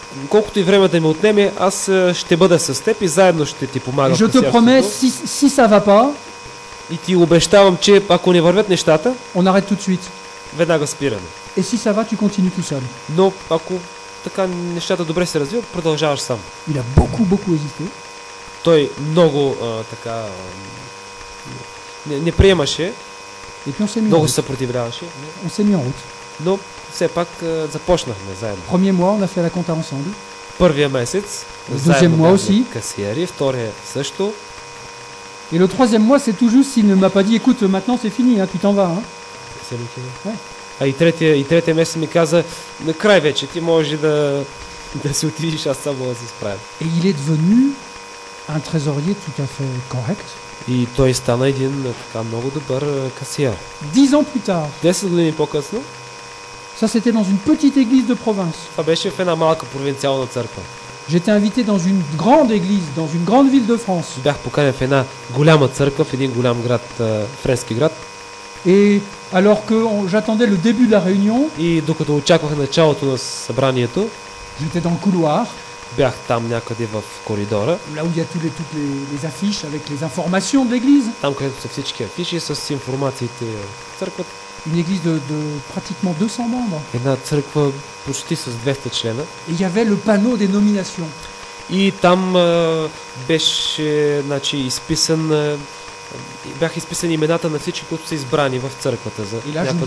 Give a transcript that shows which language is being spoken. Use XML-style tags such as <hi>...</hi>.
<bg>Колкото и време да ми отнеме, аз ще бъда с теб и заедно ще ти помагам.</bg> <fr>Je te promets, si ça va pas.</fr> <bg>И ти обещавам, че ако не вървят нещата,</bg> <fr>on arrête tout de suite.</fr> <bg>Веднага спираме.</bg> <fr>Et si ça va, tu continues tout seul.</fr> <bg>Но ако така нещата добре се развиват, продължаваш сам.</bg> <fr>Il a beaucoup, beaucoup hésité.</fr> <bg>Той много така не приемаше, много се съпротивляваше, но все пак започнахме заедно.</bg> <fr>Premier mois, on a fait la compta ensemble.</fr> <bg>Първия месец,</bg> <fr>deuxième mois aussi.</fr> <bg>Касиери, втория също.</bg> <fr>Et le troisième mois, c'est tout juste s'il ne m'a pas dit, écoute, maintenant c'est fini, hein, tu t'en vas. Hein. C'est le fini. Ouais.</fr> <bg>А и третия, и третия месец ми каза, на край вече ти може да, да се отидеш, аз само да се справя.</bg> <fr>Et il est devenu un trésorier tout à fait correct.</fr> <bg>И той стана един така много добър касиер.</bg> <fr>10 ans plus tard.</fr> <bg>10 години по-късно.</bg> <fr>Ça c'était dans une petite église de province.</fr> <bg>Това беше в една малка провинциална църква.</bg> <fr>J'étais invité dans une grande église, dans une grande ville de France.</fr> <bg>Бях поканен в една голяма църква, в един голям град, френски град.</bg> <fr>Et alors que j'attendais le début de la réunion, et</fr> <bg>докато очаквах началото на събранието,</bg> <fr>j'étais dans le couloir,</fr> <bg>бях там някъде в коридора,</bg> <fr>là où il y a toutes les affiches avec les informations de l'église,</fr> <bg>там където са всички афиши с информациите в църквата,</bg> <fr>une église de pratiquement 200 membres,</fr> <bg>една църква почти с 200 члена,</bg> <fr>et il y avait le panneau des nominations,</fr> <bg>и там беше, значи, изписан. Бяха изписани имената на всички, които са избрани в църквата за някаква</bg>